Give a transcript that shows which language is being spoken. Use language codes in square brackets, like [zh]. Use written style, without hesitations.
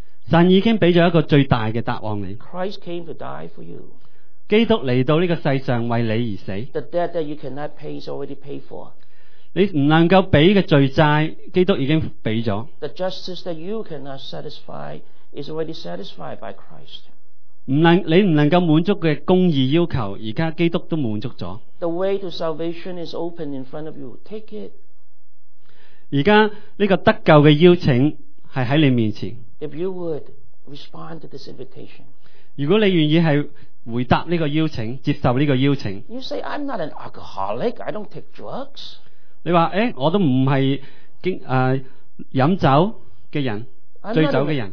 [zh] 神已经给了一个最大的答案你。 [en] Christ came to die for you. [zh] 基督来到这个世上为你而死。 [en] The debt that you cannot pay is already paid for. [zh] 你不能够给的罪债基督已经给了。 [en] The justice that you cannot satisfy is already satisfied by Christ. [zh] 你不能够满足的公义要求现在基督都满足了。 [en] The way to salvation is open in front of you. Take it. [zh] 现在这个得救的邀请是在你面前。 [en] If you would respond to this invitation, [zh] 如果你愿意是回答这个邀请接受这个邀请。 [en] You say, I'm not an alcoholic, I don't take drugs. [zh] 你说我都不是饮酒的人醉酒的人。